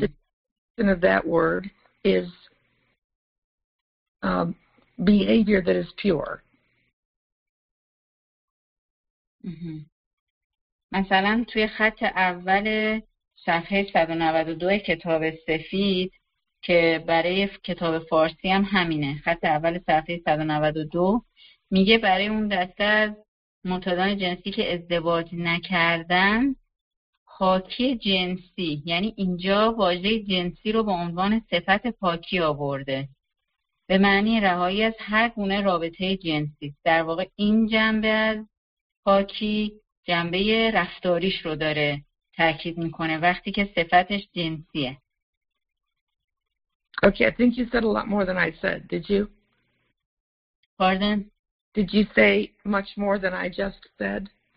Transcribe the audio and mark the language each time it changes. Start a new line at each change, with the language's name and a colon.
English: The definition of that word is behavior that is pure. Mm-hmm.
Persian: مثلا توی خط اول صفحه 192 کتاب سفید که برای کتاب فارسی هم همینه خط اول صفحه 192 میگه برای اون دسته از معتادان جنسی که ازدواج نکردن پاکی جنسی یعنی اینجا واژه جنسی رو به عنوان صفت پاکی آورده به معنی رهایی از هر گونه رابطه جنسی در واقع این جنبه از پاکی جنبه رفتاریش رو داره تاکید میکنه وقتی که صفتش جنسیه.
English: Okay, I think you said a lot more than I said. Did you? Pardon? Did you say much more than I just said?